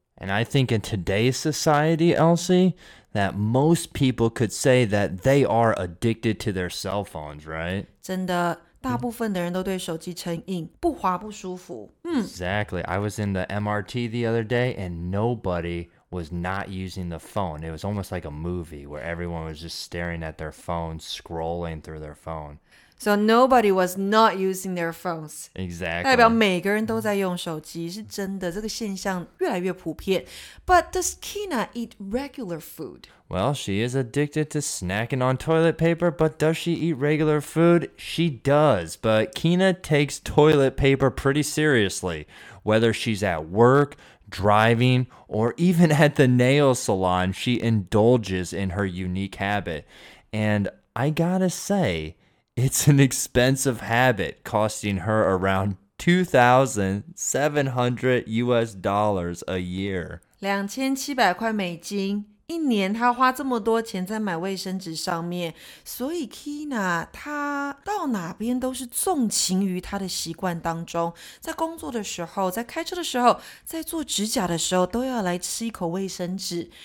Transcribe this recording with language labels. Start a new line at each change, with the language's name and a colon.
English: And I think in today's society, Elsie, that most people could say that they are addicted to their cell phones, right?
Chinese: 真的，大部分的人都对手机成瘾，不滑不舒服。
English: Exactly. I was in the MRT the other day and nobody... was not using the phone. It was almost like a movie where everyone was just staring at their phone, scrolling through their phone. So nobody was not using their phones. Exactly.
Chinese: 代表每个人都在用手机，是真的，这个现象越来越普遍。
English: But does Kina eat regular food? Well, she is addicted to snacking on toilet paper, but does she eat regular food? She does, but Kina takes toilet paper pretty seriously, whether she's at work,driving, or even at the nail salon, she indulges in her unique habit. And I gotta say, it's an expensive habit, costing her around $2,700 a year.
Chinese: 2700块美金一年她花这么多钱在买卫生纸上面，所以 Kina 她到哪边都是纵情于她的习惯当中，在工作的时候，在开车的时候，在做指甲的时候，都要来吃一口卫生纸。